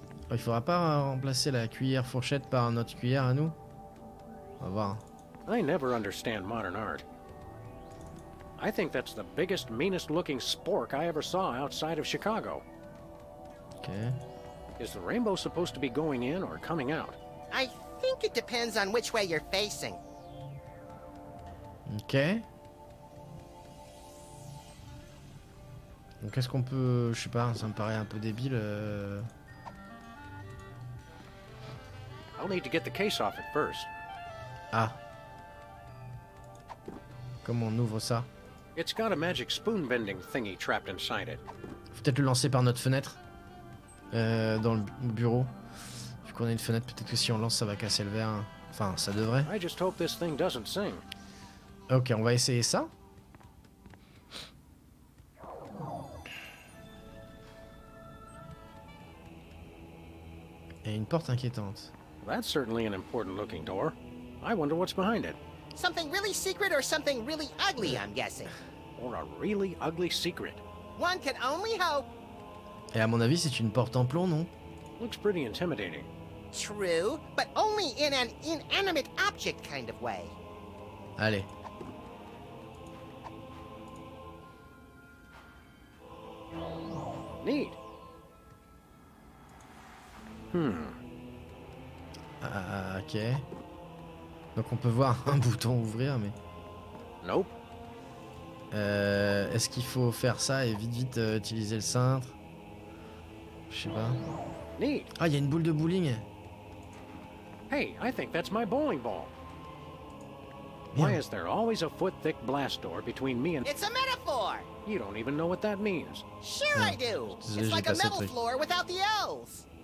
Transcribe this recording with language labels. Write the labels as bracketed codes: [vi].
[fr] Il faudra pas remplacer la cuillère fourchette par notre cuillère à nous. On va voir. [en] I never understand modern art. I think that's the biggest, meanest looking spork I ever saw outside of Chicago. Okay. Is the rainbow supposed to be going in or coming out? I think it depends on which way you're facing. Okay. [fr] Donc est-ce qu'on peut... Je sais pas, ça me paraît un peu débile. [en] I'll need to get the case off it first. Ah. [fr] Comment on ouvre ça? [en] It's got a magic spoon bending thingy trapped inside it. [fr] Faut peut-être le lancer par notre fenêtre. Dans le bureau. Vu qu'on a une fenêtre, peut-être que si on lance, ça va casser le verre. Enfin, ça devrait. [en] I just hope this thing doesn't sing. [fr] Ok, on va essayer ça. Et une porte inquiétante. [en] That's certainly an important looking door. I wonder what's behind it. Something really secret or something really ugly, I'm guessing. Or a really ugly secret. One can only hope. [fr] Et à mon avis, c'est une porte en plomb, non? [en] Looks pretty intimidating. True, but only in an inanimate object kind of way. [fr] Allez. [en] Neat. Hmm. Ok. [fr] Donc on peut voir un bouton ouvrir, mais... [en] Nope. [fr] Est-ce qu'il faut faire ça et vite utiliser le cintre? Je sais pas. [en] Neat. [fr] Ah, il y a une boule de bowling. [en] Hey, I think that's my bowling ball. [fr] Bien. [en] Why is there always a foot thick blast door between me and... It's a metaphor! You don't even know what that means. Sure I do! [fr] Désolé, [en] it's like a metal floor without the L's!